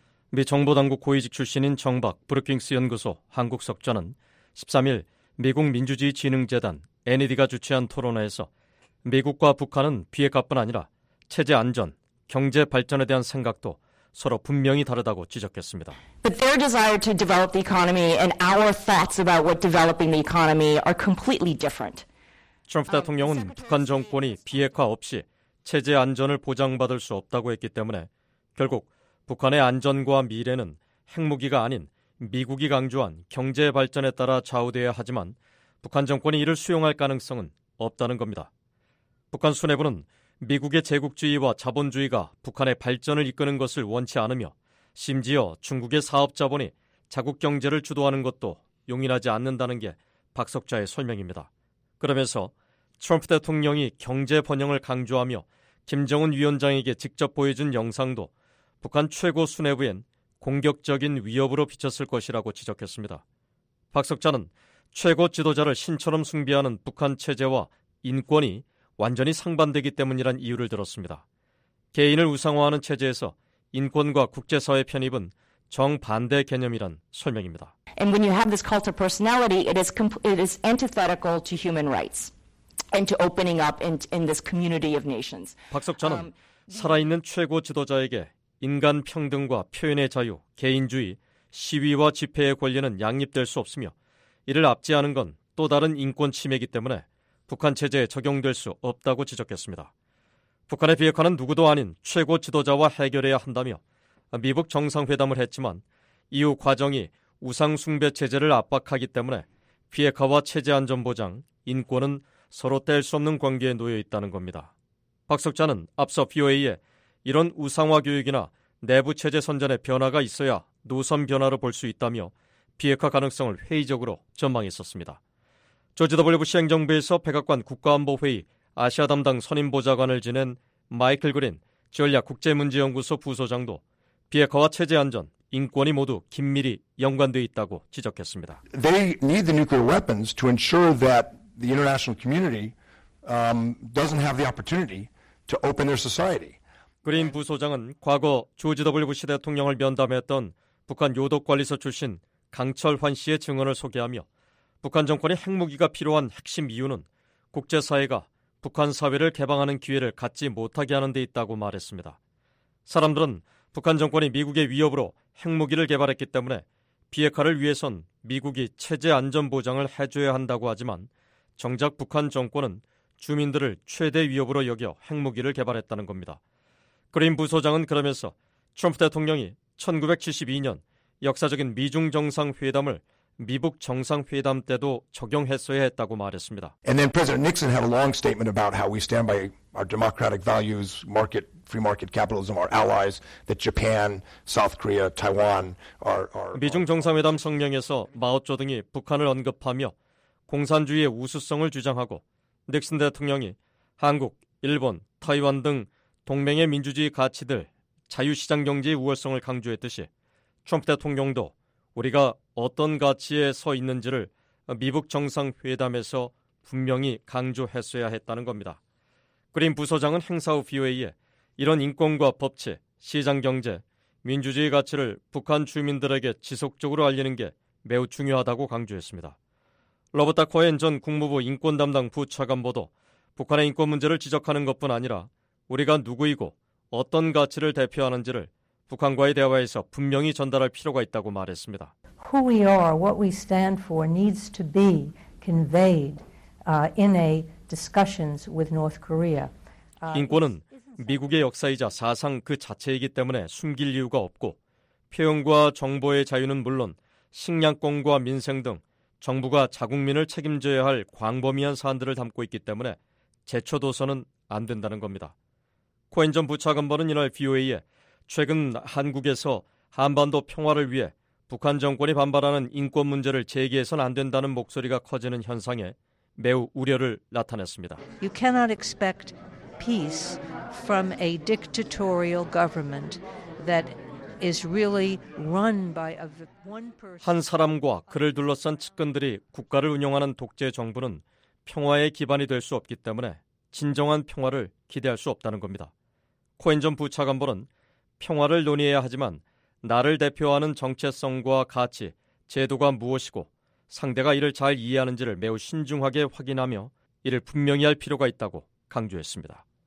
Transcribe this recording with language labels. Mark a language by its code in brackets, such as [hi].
[ko] 미 정보당국 고위직 출신인 정박 브루킹스 연구소 한국 석좌는 13일 미국 민주주의 진흥재단 NED가 주최한 토론회에서 미국과 북한은 비핵화뿐 아니라 체제 안전, 경제 발전에 대한 생각도 서로 분명히 다르다고 지적했습니다. [en] But their desire to develop the economy and our thoughts about what developing the economy are completely different. [ko] 트럼프 대통령은 북한 정권이 비핵화 없이 체제 안전을 보장받을 수 없다고 했기 때문에 결국 북한의 안전과 미래는 핵무기가 아닌 미국이 강조한 경제 발전에 따라 좌우되어야 하지만 북한 정권이 이를 수용할 가능성은 없다는 겁니다. 북한 수뇌부는 미국의 제국주의와 자본주의가 북한의 발전을 이끄는 것을 원치 않으며 심지어 중국의 사업자본이 자국 경제를 주도하는 것도 용인하지 않는다는 게 박 석좌의 설명입니다. 그러면서 트럼프 대통령이 경제 번영을 강조하며 김정은 위원장에게 직접 보여준 영상도 북한 최고 수뇌부엔 공격적인 위협으로 비쳤을 것이라고 지적했습니다. 박 석좌는 최고 지도자를 신처럼 숭배하는 북한 체제와 인권이 완전히 상반되기 때문이란 이유를 들었습니다. 개인을 우상화하는 체제에서 인권과 국제사회 편입은 정반대 개념이란 설명입니다. [en] And when you have this cult of personality, it is antithetical to human rights and to opening up in this community of nations. [ko] 박석찬은 살아있는 최고 지도자에게 인간 평등과 표현의 자유, 개인주의, 시위와 집회의 권리는 양립될 수 없으며 이를 압제하는 건 또 다른 인권 침해이기 때문에 북한 체제에 적용될 수 없다고 지적했습니다. 북한의 비핵화는 누구도 아닌 최고 지도자와 해결해야 한다며 미북 정상회담을 했지만 이후 과정이 우상 숭배 체제를 압박하기 때문에 비핵화와 체제 안전 보장, 인권은 서로 뗄 수 없는 관계에 놓여 있다는 겁니다. 박 석좌는 앞서 BOA에 이런 우상화 교육이나 내부 체제 선전의 변화가 있어야 노선 변화로 볼 수 있다며 비핵화 가능성을 회의적으로 전망했었습니다. 조지 W. 부시 행정부에서 백악관 국가안보회의 아시아 담당 선임 보좌관을 지낸 마이클 그린 전략 국제문제연구소 부소장도 비핵화와 체제 안전, 인권이 모두 긴밀히 연관되어 있다고 지적했습니다. [en] They need the nuclear weapons to ensure that the international community doesn't have the opportunity to open their society. [ko] 그린 부소장은 과거 조지 W. 부시 대통령을 면담했던 북한 요독관리소 출신 강철환 씨의 증언을 소개하며 북한 정권이 핵무기가 필요한 핵심 이유는 국제사회가 북한 사회를 개방하는 기회를 갖지 못하게 하는 데 있다고 말했습니다. 사람들은 북한 정권이 미국의 위협으로 핵무기를 개발했기 때문에 비핵화를 위해선 미국이 체제 안전 보장을 해줘야 한다고 하지만 정작 북한 정권은 주민들을 최대 위협으로 여겨 핵무기를 개발했다는 겁니다. 그린 부소장은 그러면서 트럼프 대통령이 1972년 역사적인 미중 정상회담을 미북 정상회담 때도 적용했어야 했다고 말했습니다. [en] And then President Nixon had a long statement about how we stand by our democratic values, market, free market capitalism, our allies, that Japan, South Korea, Taiwan are [ko] 미중 정상회담 성명에서 마오쩌 등이 북한을 언급하며 공산주의의 우수성을 주장하고 닉슨 대통령이 한국, 일본, 타이완 등 동맹의 민주주의 가치들, 자유시장 경제의 우월성을 강조했듯이 트럼프 대통령도 우리가 어떤 가치에 서 있는지를 미북 정상회담에서 분명히 강조했어야 했다는 겁니다. 그린 부소장은 행사 후 BOA에 이런 인권과 법치, 시장경제, 민주주의 가치를 북한 주민들에게 지속적으로 알리는 게 매우 중요하다고 강조했습니다. 로버타 코엔 전 국무부 인권담당 부차관보도 북한의 인권 문제를 지적하는 것뿐 아니라 우리가 누구이고 어떤 가치를 대표하는지를 북한과의 대화에서 분명히 전달할 필요가 있다고 말했습니다. [en] Who we are, what we stand for needs to be conveyed in a discussions with North Korea. [ko] 인권은 미국의 역사이자 사상 그 자체이기 때문에 숨길 이유가 없고 표현과 정보의 자유는 물론 식량권과 민생 등 정부가 자국민을 책임져야 할 광범위한 사안들을 담고 있기 때문에 제쳐둬서는 안 된다는 겁니다. 코엔 전 부차관보는 이날 BOA에 최근 한국에서 한반도 평화를 위해 북한 정권이 반발하는 인권 문제를 제기해서는 안 된다는 목소리가 커지는 현상에 매우 우려를 나타냈습니다. [en] You cannot expect peace from a dictatorial government that is really run by one person. [ko] 한 사람과 그를 둘러싼 측근들이 국가를 운영하는 독재 정부는 평화의 기반이 될 수 없기 때문에 진정한 평화를 기대할 수 없다는 겁니다. 코엔 전 부차관보는 평화를 논의해야 하지만 나를 대표하는 정체성과 가치, 제도가 무엇이고 상대가 이를 잘 이해하는지를 매우 신중하게 확인하며 이를 분명히 할 필요가 있다고 강조했습니다.